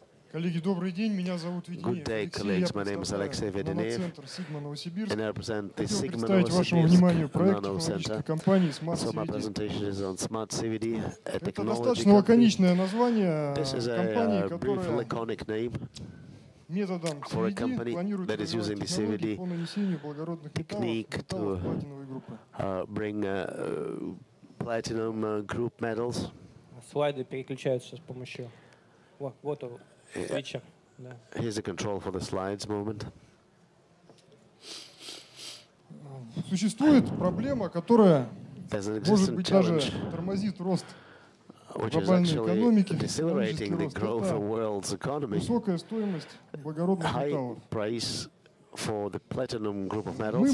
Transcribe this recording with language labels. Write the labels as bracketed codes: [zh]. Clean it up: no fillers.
[ru] Коллеги, добрый день. Меня зовут Витя. [en] Good day, colleagues. My name is Alexey Vedenev. And I represent the Sigma Novosibirsk Smart CVD. So my presentation is on Smart CVD, a technology. [ru] Это достаточно лаконичное название. [en] This is a brief, laconic name. For a company that is using the CVD technique to bring platinum group metals. [ru] Слайды переключаются с помощью. Вот он, свитчер. [en] Here's the control for the slides movement. [ru] Существует проблема, которая может быть даже тормозит рост. [en] Which is actually decelerating the growth of the world's economy. High price for the platinum group of metals.